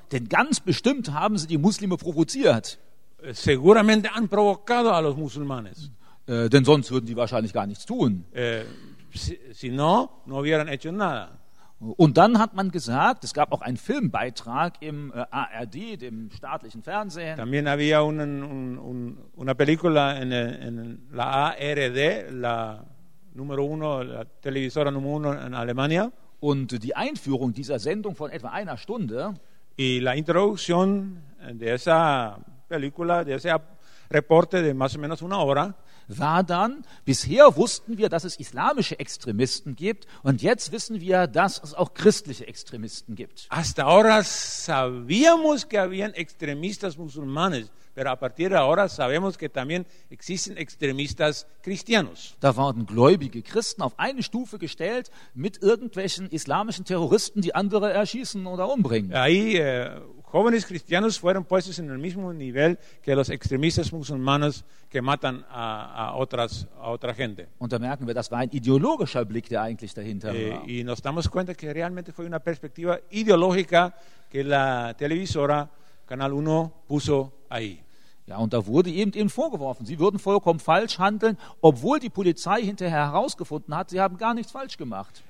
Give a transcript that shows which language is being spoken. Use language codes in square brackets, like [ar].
[de] Denn ganz bestimmt haben sie die Muslime provoziert. [es] seguramente han provocado a los musulmanes. [de] Denn sonst würden die wahrscheinlich gar nichts tun. [es] Si no hubieran hecho nada. [de] Und dann hat man gesagt, es gab auch einen Filmbeitrag im ARD, dem staatlichen Fernsehen. [es] También había una película en la ARD, la número uno, la televisora número uno en Alemania. [de] Und die Einführung dieser Sendung von etwa einer Stunde. [es] Y la introducción de esa película, de ese reporte de más o menos una hora. [de] War dann, bisher wussten wir, dass es islamische Extremisten gibt und jetzt wissen wir, dass es auch christliche Extremisten gibt. [es] Hasta ahora sabíamos que habían extremistas musulmanes, pero a partir de ahora sabemos que también existen extremistas cristianos. [de] Da wurden gläubige Christen auf eine Stufe gestellt mit irgendwelchen islamischen Terroristen, die andere erschießen oder umbringen. [es] Ahí, jóvenes cristianos fueron puestos en el mismo nivel que los extremistas musulmanes que matan a otra gente. [de] Und da merken wir, das war ein ideologischer Blick, der eigentlich dahinter war. [es] Y nos damos cuenta que realmente fue una perspectiva ideológica que la televisora Canal 1 puso ahí. [de] Ja, und da wurde eben ihnen vorgeworfen, sie würden vollkommen falsch handeln, obwohl die Polizei hinterher herausgefunden hat, sie haben gar nichts falsch gemacht.